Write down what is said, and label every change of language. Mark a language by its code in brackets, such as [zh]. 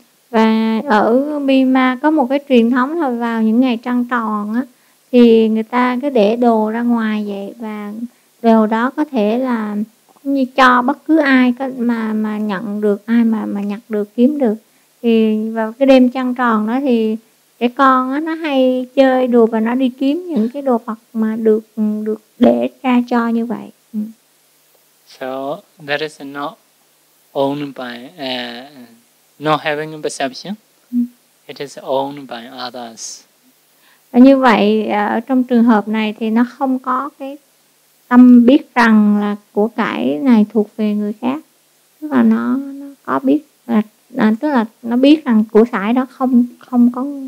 [vi] Và ở Bima có một cái truyền thống là vào những ngày trăng tròn á thì người ta cứ để đồ ra ngoài vậy, và đồ đó có thể là như cho bất cứ ai mà nhận được, ai mà nhặt được, kiếm được. Thì vào cái đêm trăng tròn đó thì trẻ con á nó hay chơi đùa và nó đi kiếm những cái đồ vật mà được để ra cho như vậy. [en] So that is not owned by not having a perception, it is owned by others. [vi] Như vậy ở trong trường hợp này thì nó không có cái tâm biết rằng là của cải này thuộc về người khác, tức là nó có biết là tức là nó biết rằng của cải đó không có.